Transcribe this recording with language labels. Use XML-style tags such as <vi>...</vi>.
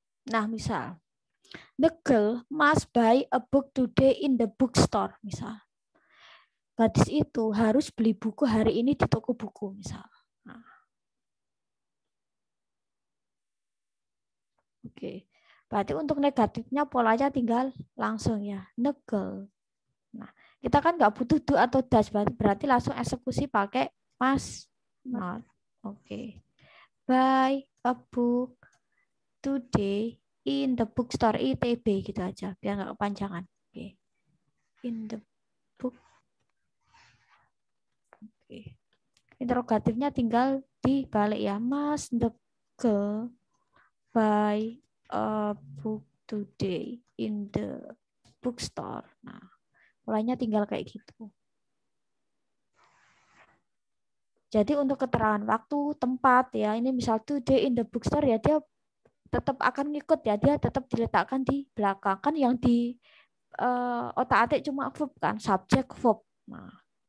<en>Nah, misal, the girl must buy a book today in the bookstore, misal.</en> <id>Gadis itu harus beli buku hari ini di toko buku, misal. Nah. Oke, berarti untuk negatifnya polanya tinggal langsung ya,</id> <en>the girl.</en> <id>Nah, kita kan nggak butuh do atau does, berarti langsung eksekusi pakai must not.</id> <en>Oke, buy a book today in the bookstore ITB</en> <id>gitu aja biar nggak kepanjangan.</id> <en>Oke. Okay. In the book.</en> <id>Oke. Okay. Interrogatifnya tinggal dibalik ya.</id> <en>Must the girl buy a book today in the bookstore.</en> <id>Nah, mulainya tinggal kayak gitu. Jadi untuk keterangan waktu, tempat ya. Ini misal</id> <en>today in the bookstore</en> <id>ya, dia tetap akan ngikut ya, dia tetap diletakkan di belakang kan, yang di otak-atik cuma verb kan, subjek verb. Nah.</id>